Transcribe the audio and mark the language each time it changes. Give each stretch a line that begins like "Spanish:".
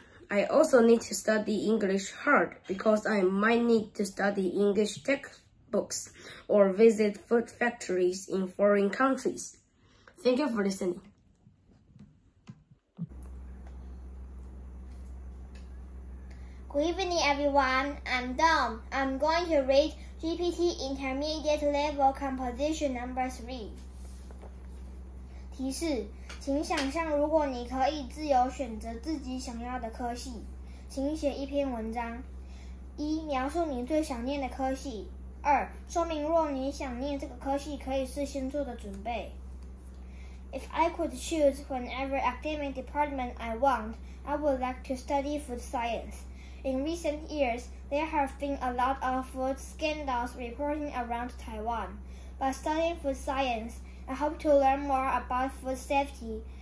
English: I also need to study English hard because I might need to study English textbooks or visit food factories in foreign countries. Thank you for listening. Good evening, everyone. I'm Dom. I'm going to read GPT Intermediate Level Composition No. 3.
Chinese: 提示，请想象如果你可以自由选择自己想要的科系，请写一篇文章。一、描述你最想念的科系。二、说明若你想念这个科系，可以事先做的准备。
English: If I could choose whenever academic department I want, I would like to study food science. In recent years, there have been a lot of food scandals reporting around Taiwan. By studying food science, I hope to learn more about food safety.